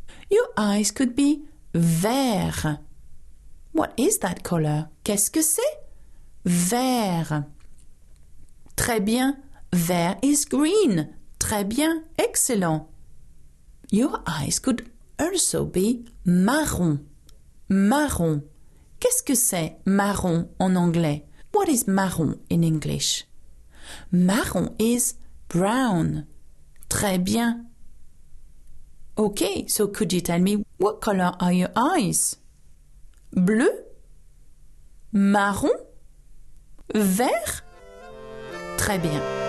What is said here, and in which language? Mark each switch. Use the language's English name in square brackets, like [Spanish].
[English] Your eyes could be vert. What is that color? [French] Qu'est-ce que c'est? Vert. Très bien. Vert [English] is green. [French] Très bien. Excellent. [English] Your eyes could also be marron. [French] Marron. Qu'est-ce que c'est marron en anglais? [English] What is marron in English? Marron is brown. [French] Très bien. [English] Okay, so could you tell me what color are your eyes? [French] Bleu? Marron? Vert? Très bien.